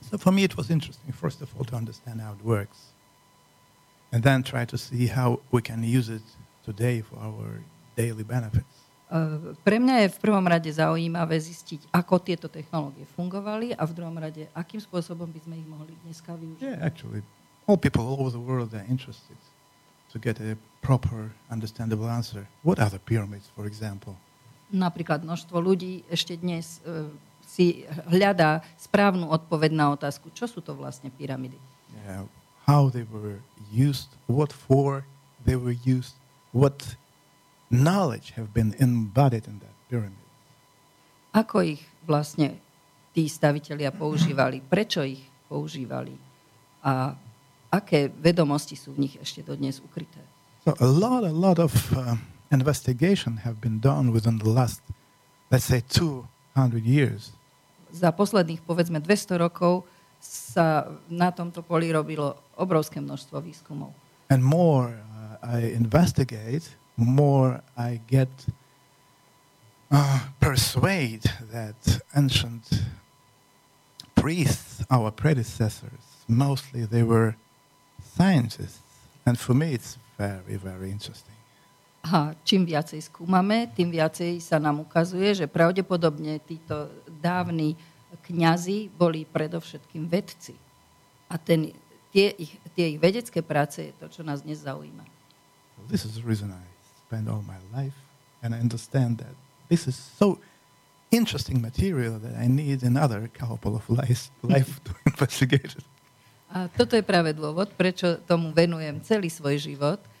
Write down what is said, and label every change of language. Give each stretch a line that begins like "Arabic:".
English: So for me it was interesting first of all to understand how it works and then try to see how we can use it today for our daily benefits.
Slovak: Pre mňa je v prvom rade zaujímavé zistiť, ako tieto technológie fungovali a v druhom rade, akým spôsobom by sme ich mohli dneska využiť.
English: Yeah, actually, all people all over the world are interested to get a proper, understandable answer. What are the pyramids, for example?
Slovak: Napríklad množstvo ľudí ešte dnes si hľadá správnu odpoveď na otázku, čo sú to vlastne pyramidy.
English: Yeah, how they were used, what for they were used, what knowledge have been embodied in that pyramid.
Slovak: Ako ich vlastne tí stavitelia používali, prečo ich používali a aké vedomosti sú v nich ešte dodnes ukryté.
English: So a lot of investigation have been done within the last, let's say, 200 years.
Slovak: Za posledných povedzme 200 rokov sa na tomto poli robilo obrovské množstvo výskumov.
English: And more I investigate, more I get persuade that ancient priests, our predecessors, mostly they were scientists. And for me it's very, very interesting.
Slovak: A čím viacej skúmame, tým viacej sa nám ukazuje, že pravdepodobne títo dávni kňazi boli predovšetkým vedci. A tie ich vedecké práce je to, čo nás dnes zaujíma.
English: This is the reason I spend all my life and I understand that this is so interesting material that I need another couple of life to investigate it.
Slovak: A toto je práve dôvod, prečo tomu venujem celý svoj život.